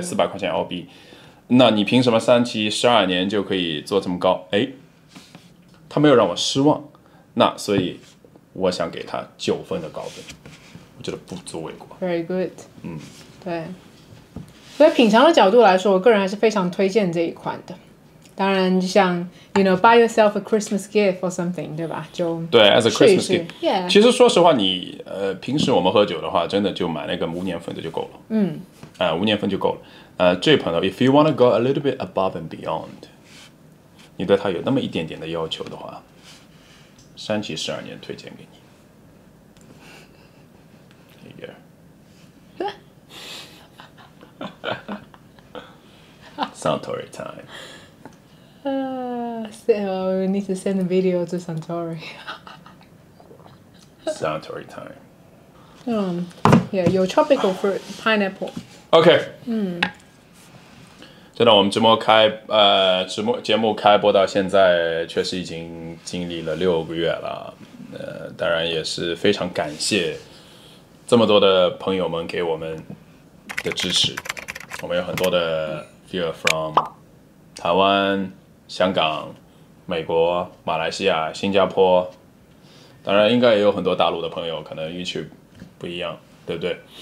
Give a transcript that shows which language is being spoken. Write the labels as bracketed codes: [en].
[zh] 400块钱澳币，那你凭什么3期12年就可以做这么高？哎，他没有让我失望，那所以。我想给他9分的高分，我觉得不足为过。 [en] Very good。嗯， [zh] 对。所以品尝的角度来说，我个人还是非常推荐这一款的。 [en] 当然像 you know, buy yourself a Christmas gift or something, [zh] 对吧？就 [en] 对 as a Christmas [zh] 试试 [en] gift、 yeah. [zh] 其实说实话你、平时我们喝酒的话真的就买那个五年份的就够了、嗯五年份就够了、这位朋友 [en] if you want to go a little bit above and beyond [zh] 你对他有那么一点点的要求的话三七十二年推荐给你Suntory time. [en] We need to send a video to Suntory. Suntory time. Yeah, your tropical fruit, pineapple. Okay. 嗯。 [zh] 真的，我们直播开节目开播到现在，确实已经经历了六个月了。当然也是非常感谢这么多的朋友们给我们的支持。我们有很多的 viewer from 台湾、香港、美国、马来西亚、新加坡，当然应该也有很多大陆的朋友，可能运气不一样，对不对？